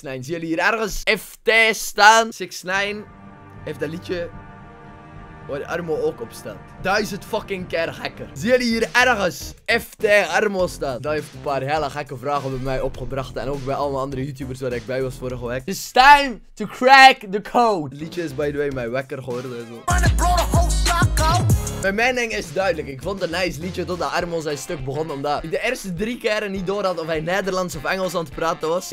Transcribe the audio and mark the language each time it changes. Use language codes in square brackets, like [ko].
[nl] Zien jullie hier ergens FT staan? 6ix9ine heeft dat liedje. Waar Armo ook op staat. 1000 fucking keer gekker. Zie jullie hier ergens FT Armo staan? Dat heeft een paar hele gekke vragen bij mij opgebracht. En ook bij allemaal andere YouTubers waar ik bij was vorige week. [en] It's time to crack the code. [nl] Het liedje is [en] by the way [nl] mijn wekker geworden. Zo. Mijn mening is duidelijk. Ik vond het een nice liedje totdat Armo zijn stuk begon. Omdat ik de eerste 3 keren niet door had of hij Nederlands of Engels aan het praten was.